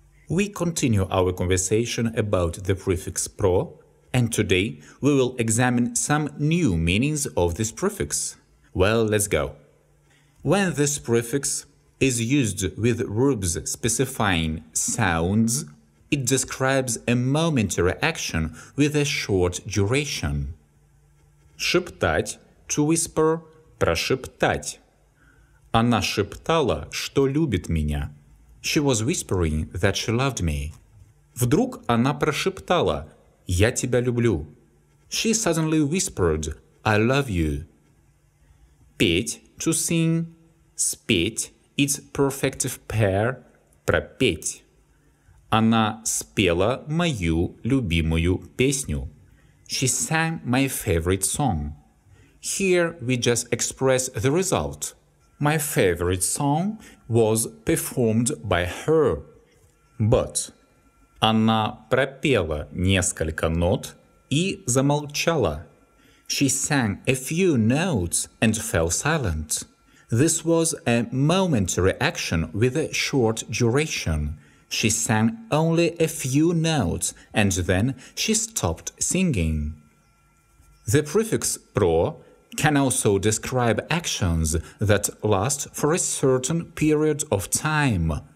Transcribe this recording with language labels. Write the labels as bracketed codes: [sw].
[en] We continue our conversation about the prefix PRO, and today we will examine some new meanings of this prefix. Well, let's go. When this prefix is used with verbs specifying sounds, it describes a momentary action with a short duration. [ru] Шептать – [en] to whisper, [ru] прошептать. Она шептала, что любит меня. [en] She was whispering that she loved me. [ru] Вдруг она прошептала, я тебя люблю. [en] She suddenly whispered, I love you. Петь – to sing, спеть – it's perfective pair, пропеть. [ru] Она спела мою любимую песню. [en] She sang my favorite song. Here we just express the result. My favorite song was performed by her. [ru] But она пропела несколько нот и замолчала. [en] She sang a few notes and fell silent. This was a momentary action with a short duration. She sang only a few notes, and then she stopped singing. The prefix PRO can also describe actions that last for a certain period of time.